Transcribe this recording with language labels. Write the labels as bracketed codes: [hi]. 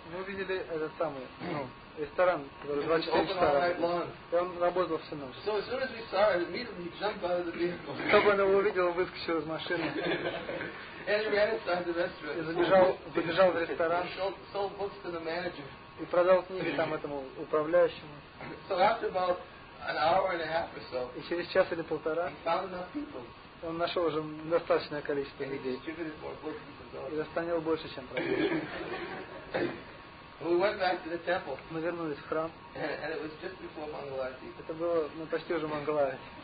[ru] Мы увидели этот самый ресторан, который 24 часа работал. Он работал всю ночь. [en] So as soon as we saw it, immediately jumped out of the vehicle. [ru] Чтобы он его увидел, он выскочил из машины. [en] And ran inside the restaurant. [ru] И забежал в ресторан. [en] Sold books to the manager. [ru] И продал книги там этому управляющему. [en] So after about an hour and a half or so. [ru] И через час или полтора. [en] He found enough people. [ru] Он нашел уже достаточное количество людей. И достанил больше, чем продал. [en] We went back to the temple. [ru] Мы вернулись в храм. [en] And it was just before Mangalarti. [ru] Это было почти уже Мангалари.